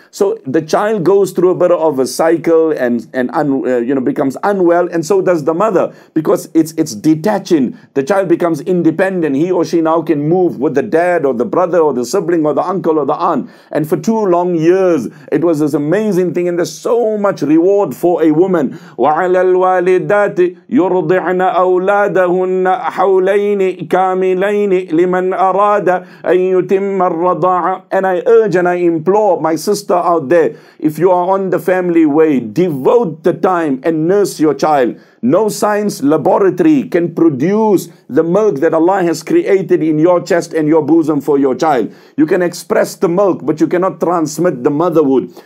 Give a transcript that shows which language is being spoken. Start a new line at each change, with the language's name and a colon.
English: So the child goes through a bit of a cycle and becomes unwell, and so does the mother, because it's detaching. The child becomes independent. He or she now can move with the dad or the brother or the sibling or the uncle or the aunt. And for 2 long years, it was this amazing thing, and there's so much reward for a woman.
Arabic: وعلى الوالدات يرضعن أولادهن حولين كاملين لمن أراد أن يتم الرضاعة.
English: And I urge and I implore my sister out there, if you are on the family way, devote the time and nurse your child. No science laboratory can produce the milk that Allah has created in your chest and your bosom for your child. You can express the milk, but you cannot transmit the motherhood.